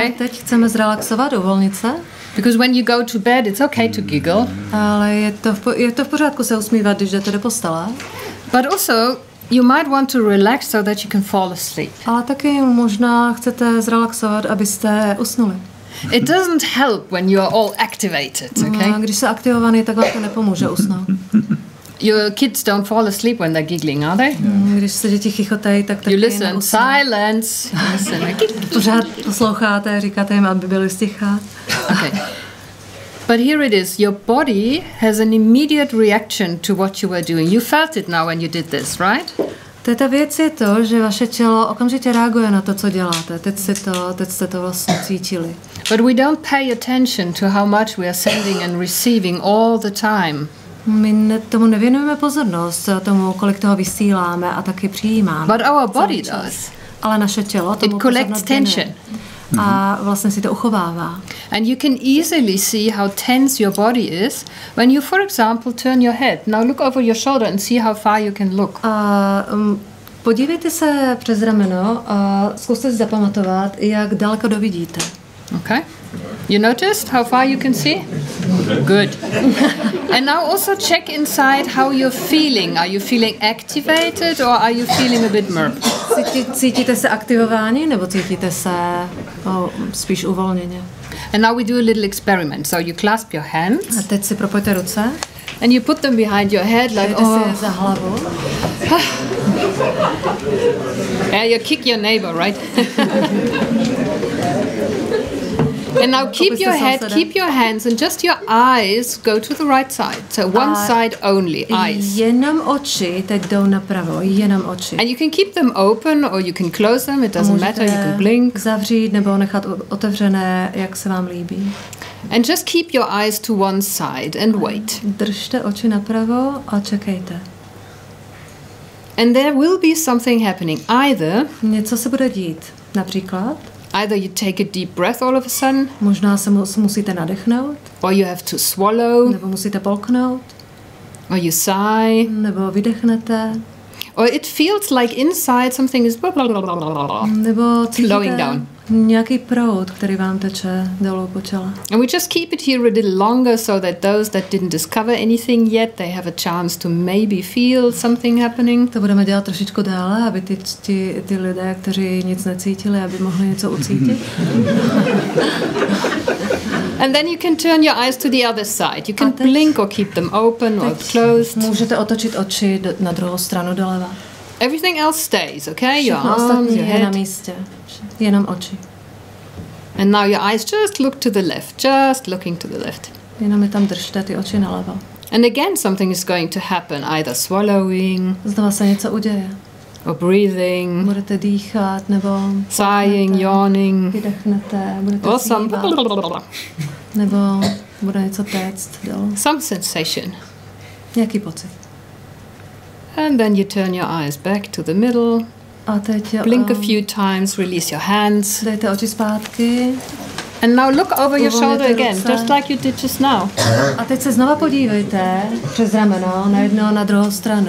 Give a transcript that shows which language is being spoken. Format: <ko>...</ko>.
<cs>Ale teď chceme zrelaxovat, uvolnit se.</cs> <en>Because when you go to bed, it's okay to giggle.</en> <cs>Ale je to v pořádku se usmívat, když jdete do postele.</cs> <en>But also you might want to relax so that you can fall asleep.</en> <cs>Ale taky možná chcete zrelaxovat, abyste usnuli.</cs> <en>It doesn't help when you are all activated, okay?</en> <cs>No, když jste aktivovaný, tak vám to nepomůže usnout.</cs> <en>Your kids don't fall asleep when they're giggling, are they?</en> <cs>No, když se děti chichotají, tak taky</cs> <en>you listen,</en> <cs>neusnou.</cs> <en>Silence.</en> <cs>Pořád posloucháte, říkáte jim, aby byli sticha.</cs> <en>Okay. But here it is. Your body has an immediate reaction to what you were doing. You felt it now when you did this, right?</en> <cs>Ta věc je to, že vaše tělo okamžitě reaguje na to, co děláte. Teď jste to vlastně cítili.</cs> <en>But we don't pay attention to how much we are sending and receiving all the time.</en> <cs>My tomu nevěnujeme pozornost, tomu, kolik toho vysíláme a taky přijímáme.</cs> <en>But our body does.</en> <cs>Ale naše tělo tomu</cs> <en>it collects tension.</en> <cs>A vlastně si to uchovává.</cs> <en>And you can easily see how tense your body is when you, for example, turn your head. Now look over your shoulder and see how far you can look.</en> <cs>Podívejte se přes rameno a zkuste si zapamatovat, jak daleko dovidíte.</cs> <en>Okay. You noticed how far you can see? Good. And now also check inside how you're feeling. Are you feeling activated or are you feeling a bit merp?</en> <cs>Cítíte se aktivováni nebo cítíte se spíš uvolněně?</cs> <en>And now we do a little experiment. So you clasp your hands.</en> <cs>A teď si propojte ruce.</cs> <en>And you put them behind your head like, oh.</en> <cs>Dejte se za hlavu.</cs> <en>Yeah, you kick your neighbor, right? And now keep your head, keep your hands, and just your eyes go to the right side. So one side only, eyes.</en> <cs>Jenom oči teď jdou napravo, jenom oči.</cs> <en>And you can keep them open or you can close them, it doesn't matter, you can blink.</en> <cs>Zavřít nebo nechat otevřené, jak se vám líbí.</cs> <en>And just keep your eyes to one side and wait.</en> <cs>Držte oči napravo a čekejte.</cs> <en>And there will be something happening, either.</en> <cs>Něco se bude dít, například.</cs> <en>Either you take a deep breath all of a sudden.</en> <cs>Možná se musíte nadechnout.</cs> <en>Or you have to swallow.</en> <cs>Nebo musíte polknout.</cs> <en>Or you sigh.</en> <cs>Nebo vydechnete.</cs> <en>Or it feels like inside something is blah, blah, blah, blah, blah, blah,</en> <cs>nebo</cs> <en>flowing down.</en> <cs>Nějaký proud, který vám teče dolů po těle.</cs> <en>And we just keep it here a little longer so that those that didn't discover anything yet, they have a chance to maybe feel something happening.</en> <cs>To budeme dělat trošičku dále, aby ty lidé, kteří nic necítili, aby mohli něco ucítit.</cs> <en>And then you can turn your eyes to the other side. You can blink or keep them open or closed.</en> <cs>Můžete otočit oči na druhou stranu doleva.</cs> <en>Everything else stays, okay? Your arms are</en> <cs>na místě. Jenom oči.</cs> <en>And now your eyes just look to the left. Just looking to the left.</en> <cs>Jenom je tam držte ty oči nalevo.</cs> <en>And again something is going to happen, either swallowing.</en> <cs>Znova se něco uděje.</cs> <en>Or breathing.</en> <cs>Budete dýchat nebo</cs> <en>sighing, yawning.</en> <cs>Vydechnete, budete</cs> <en>or some</en> <cs>nebo bude něco téct, jo.</cs> <en>Some sensation.</en> <cs>Nějaký pocit.</cs> <en>And then you turn your eyes back to the middle.</en> <cs>A teď</cs> <en>blink a few times, release your hands.</en> <cs>Dejte oči zpátky.</cs> <en>And now look over your shoulder again, just like you did just now.</en> <cs>A teď se znova podívejte přes rameno na jedno na druhou stranu.</cs>